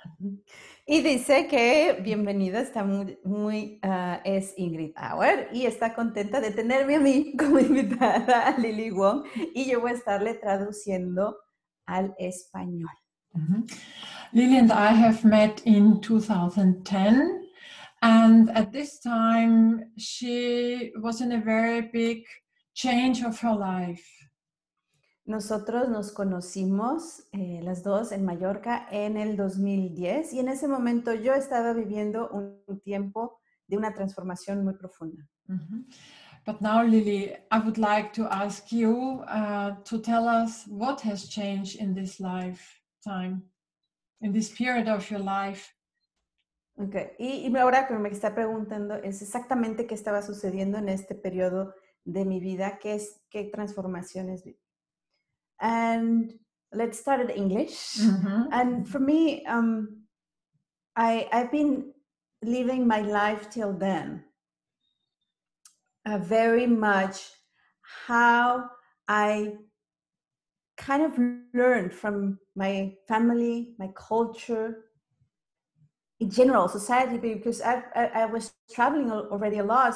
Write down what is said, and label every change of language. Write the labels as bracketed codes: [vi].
[es] Y dice que bienvenida, está es INGRID AUER y está contenta de tenerme a mí como invitada, a Lily Wong, y yo voy a estarle traduciendo al español. [en] Lily and I have met in 2010, and at this time she was in a very big change of her life. [es] Nosotros nos conocimos las dos en Mallorca en el 2010, y en ese momento yo estaba viviendo un tiempo de una transformación muy profunda. [en] But now, Lily, I would like to ask you to tell us what has changed in this life. Time in this period of your life. [es] Okay, y ahora que me está preguntando es exactamente qué estaba sucediendo en este periodo de mi vida, qué transformaciones. [en] And let's start in English. Mm-hmm. And for me, I've been living my life till then very much how I kind of learned from my family, my culture, in general, society, because I was traveling already a lot.